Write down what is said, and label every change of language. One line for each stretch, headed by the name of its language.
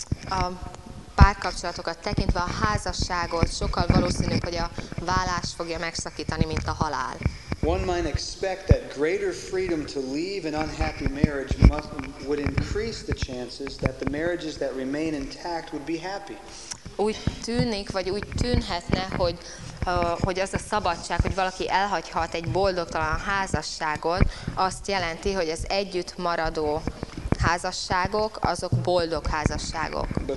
Hungarian: A párkapcsolatokat tekintve a házasságot sokkal valószínűbb, hogy a válás fogja megszakítani, mint a halál.
English: One might expect that greater freedom to leave an unhappy marriage would increase the chances that the marriages that remain intact would be happy.
Hungarian: Úgy tűnik, vagy úgy tűnhetne, hogy az a szabadság, hogy valaki elhagyhat egy boldogtalan házasságot, azt jelenti, hogy az együtt maradó házasságok, azok boldog házasságok.